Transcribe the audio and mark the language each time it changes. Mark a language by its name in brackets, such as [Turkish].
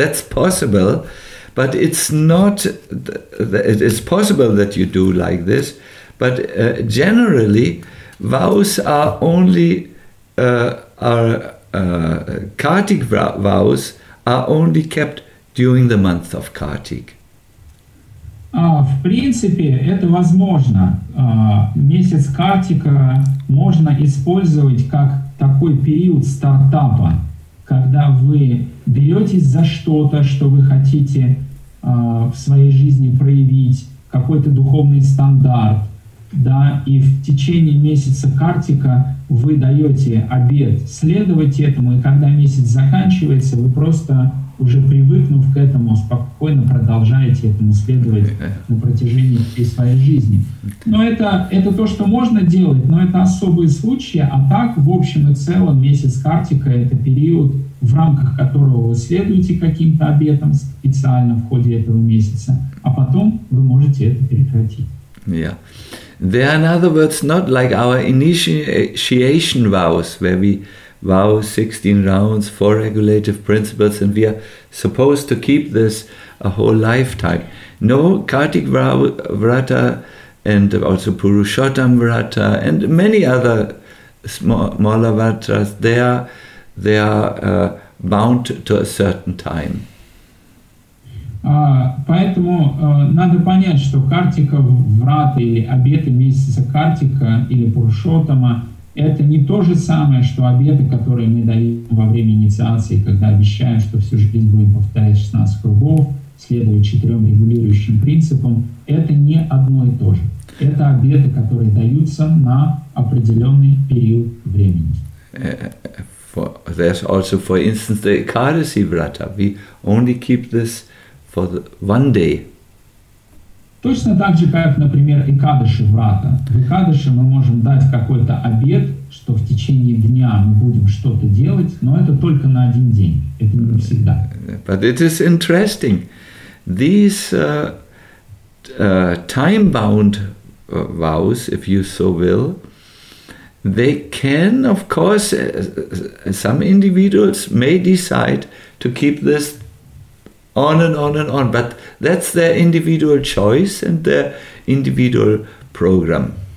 [English] That's possible, but it's not, it is possible that you do like this, but generally, vows are only, Kartik vows are only kept during the month of Kartik. [Russian] В принципе, это возможно. Месяц Картика можно использовать как такой период стартапа, когда вы беретесь за что-то, что вы хотите в своей жизни проявить, какой-то духовный стандарт, да, и в течение месяца Картика вы даете обет следовать этому, и когда месяц заканчивается, вы просто уже привыкнув к этому, спокойно продолжаете этому следовать на протяжении всей своей жизни. Но это то, что можно делать, но это особые случаи, а так, в общем и целом, месяц Картика – это период, в рамках которого вы следуете каким-то обетам специально в ходе этого месяца, а потом вы можете это прекратить. [English] Yeah. They are, in other words, not like our initiation vows, where we vow 16 rounds, four regulative principles, and we are supposed to keep this a whole lifetime. No, Kartik Vrata and also Purushottam Vrata and many other smaller Vratas, they are bound to a certain time. [Russian] Поэтому надо понять, что Картика Врата или обеты месяца Картика или Пурушоттама — это не то же самое, что обеты, которые мы даем во время инициации, когда обещаем, что всю жизнь будем повторять 16 кругов, следуя четырем регулирующим принципам. Это не одно и то же. Это обеты, которые даются на определенный период времени. [English] There's also, for instance, the Ekadasi Vrata. We only keep this for one day. [Russian] Точно так же, как, например, Экадаши Врата. В Экадаши мы можем дать какой-то обет, что в течение дня мы будем что-то делать, но это только на один день. Это не всегда. [English] But it is interesting. These time-bound vows, if you so will, they can, of course, some individuals may decide to keep this on and on and on, but that's their individual choice and their individual program.